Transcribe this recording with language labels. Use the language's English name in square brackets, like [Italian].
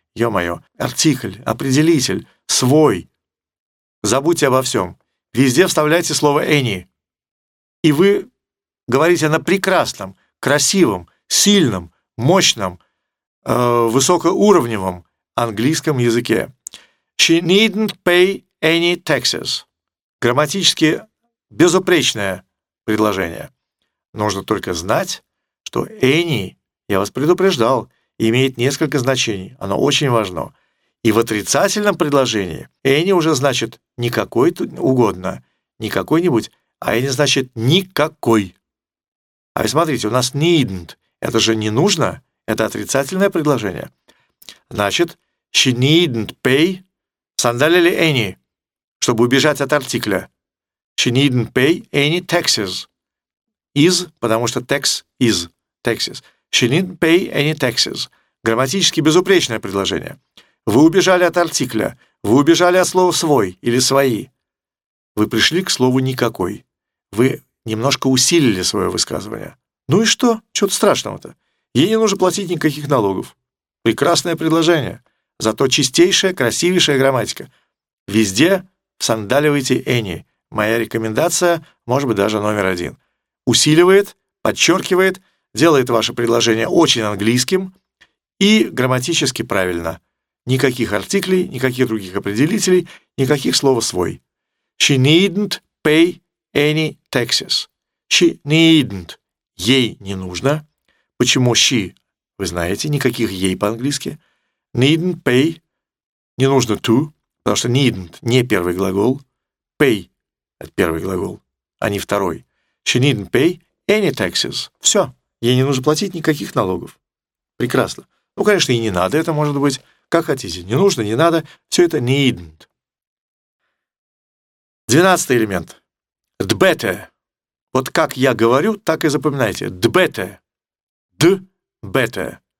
[Russian] Ё-моё, артикль, определитель, свой. Забудьте обо всем. Везде вставляйте слово «any». И вы говорите на прекрасном, красивом, сильном, мощном, высокоуровневом английском языке. [English] She needn't pay any taxes. [Russian] Грамматически безупречное предложение. Нужно только знать, что any, я вас предупреждал, имеет несколько значений. Оно очень важно. И в отрицательном предложении any уже значит не какой угодно, не какой-нибудь, а any значит никакой. А ведь смотрите, у нас needn't. Это же не нужно. Это отрицательное предложение. Значит, [English] she needn't pay [Russian] сандали ли any, чтобы убежать от артикля. [English] She needn't pay any taxes. Is, [Russian] потому что [English] tax is taxes. She needn't pay any taxes. [Russian] Грамматически безупречное предложение. Вы убежали от артикля. Вы убежали от слова «свой» или «свои». Вы пришли к слову «никакой». Вы немножко усилили свое высказывание. Ну и что? Чего-то страшного-то. Ей не нужно платить никаких налогов. Прекрасное предложение. Зато чистейшая, красивейшая грамматика. Везде сандаливайте any. Моя рекомендация, может быть, даже номер один. Усиливает, подчеркивает, делает ваше предложение очень английским и грамматически правильно. Никаких артиклей, никаких других определителей, никаких слов «свой». [English] She needn't pay any taxes. She needn't. [Russian] Ей не нужно. Почему she? Вы знаете, никаких ей по-английски. [English] Needn't pay. [Russian] Не нужно to, потому что needn't не первый глагол. Pay – это первый глагол, а не второй. [English] She needn't pay any taxes. [Russian] Все. Ей не нужно платить никаких налогов. Прекрасно. Ну, конечно, и не надо. Это может быть как хотите. Не нужно, не надо. Все это needn't. 12-й элемент. D-better. Вот как я говорю, так и запоминайте. [English] D-better. D-better.